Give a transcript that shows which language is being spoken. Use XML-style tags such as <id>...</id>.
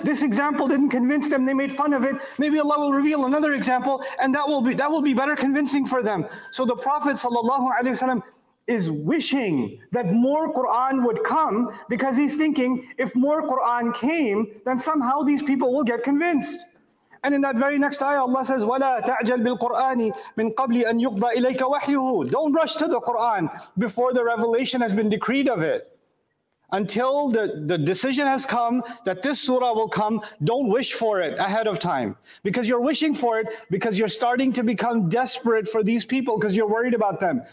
<en>This example didn't convince them. They made fun of it. Maybe Allah will reveal another example, and that will be better convincing for them. So the Prophet sallallahu alaihi wasallam is wishing that more Quran would come because he's thinking if more Quran came, then somehow these people will get convinced. And in that very next ayah, Allah says,</en> <ar>وَلَا تَعْجَلْ بِالْقُرْآنِ مِنْ قَبْلِ أَنْ يُقْضَى إِلَيْكَ وَحْيُهُ.</ar> <en>Don't rush to the Quran before the revelation has been decreed of it. Until the decision has come that this surah will come, don't wish for it ahead of time. Because you're wishing for it, because you're starting to become desperate for these people, because you're worried about them.</en>